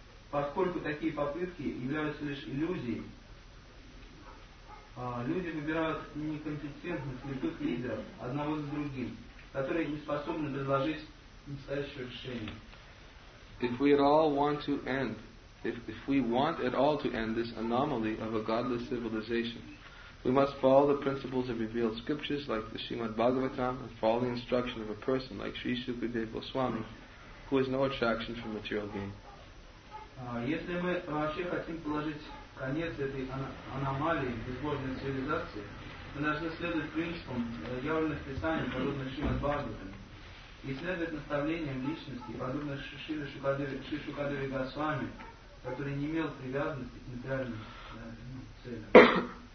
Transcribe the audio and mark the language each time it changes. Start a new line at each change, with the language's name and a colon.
Russian: Поскольку такие попытки являются лишь иллюзией, люди выбирают некомпетентных слепых лидеров одного за другим, которые не способны предложить настоящее решение.
English: If we at all want to end, if we want at all to end this anomaly of a godless civilization, we must follow the principles of revealed scriptures like the Srimad Bhagavatam and follow the instruction of a person like Sri Sukadeva Goswami, who has no attraction for material gain.
Russian: Если мы вообще хотим положить конец этой аномалии безбожной цивилизации, мы должны следовать принципам, явленных писаниям, подобных Шримад Бхагаватам, и следовать наставлениям личности, подобных Шри Шукадеве Госвами, который не имел привязанности к материальным целям.